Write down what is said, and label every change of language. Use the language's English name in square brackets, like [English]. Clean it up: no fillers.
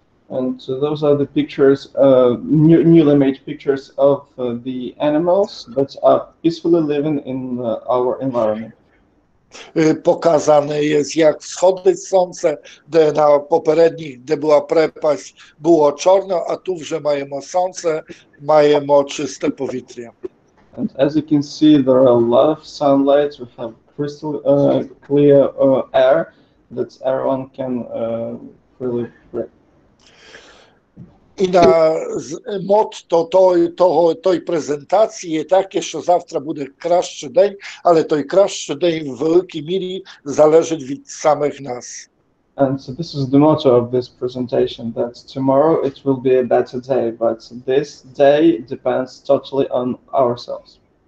[English] And so those are the pictures, newly made pictures of the animals that are peacefully living in our environment. [Ukrainian] Показане є, як сходить сонце, де на попередніх, де була припасть, було чорно, а тут вже маємо сонце, маємо чисте повітря. [English] And as you can see, there are a lot of sunlight, we have crystal clear air that everyone can really breathe. [Ukrainian] І на мотто той презентації є таке, що завтра буде кращий день, але той кращий день в великій мірі залежить від самих нас. [English] And so this is the motto of this presentation, that tomorrow it will be a better day, but this day depends totally on ourselves.